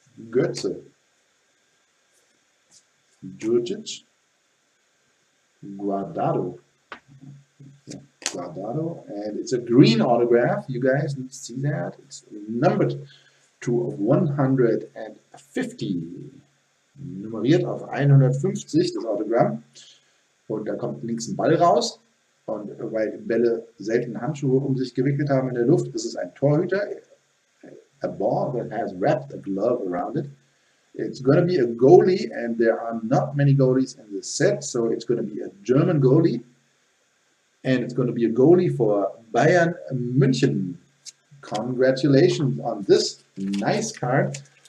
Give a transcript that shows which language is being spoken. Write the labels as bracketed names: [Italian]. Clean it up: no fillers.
[English] Götze. Djuric. Guardado. Guardado. And it's a green autograph. You guys need to see that. It's numbered to 150. [German] Nummeriert auf 150, das Autogramm. Und da kommt links ein Ball raus. Und weil Bälle selten Handschuhe um sich gewickelt haben in der Luft, ist es ein Torhüter. [English] A ball that has wrapped a glove around it. It's gonna be a goalie, and there are not many goalies in this set, so it's gonna be a German goalie. And it's gonna be a goalie for Bayern München. Congratulations on this nice card.